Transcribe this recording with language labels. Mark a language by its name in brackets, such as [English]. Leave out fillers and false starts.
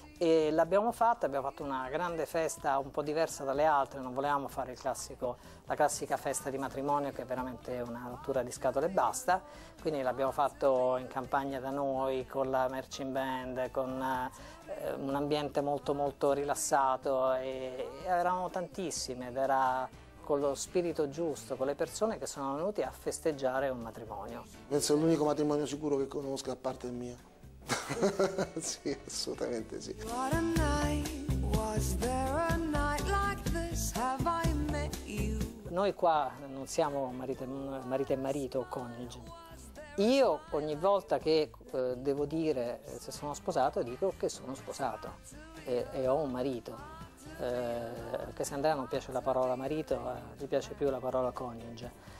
[Italian] E l'abbiamo fatta, abbiamo fatto una grande festa un po' diversa dalle altre, non volevamo fare la classica festa di matrimonio che è veramente una rottura di scatole e basta, quindi l'abbiamo fatto in campagna da noi con la marching band, con un ambiente molto molto rilassato, e eravamo tantissime ed era con lo spirito giusto, con le persone che sono venute a festeggiare un matrimonio. Penso è l'unico matrimonio sicuro che conosco a parte il mio. Sì, assolutamente sì. [English] What a night, was there a night like this? Have I met you? [Italian] Noi qua non siamo marito e marito o coniugi. Io ogni volta che devo dire se sono sposato, dico che sono sposato e ho un marito. Anche se Andrea non piace la parola marito, gli piace più la parola coniuge.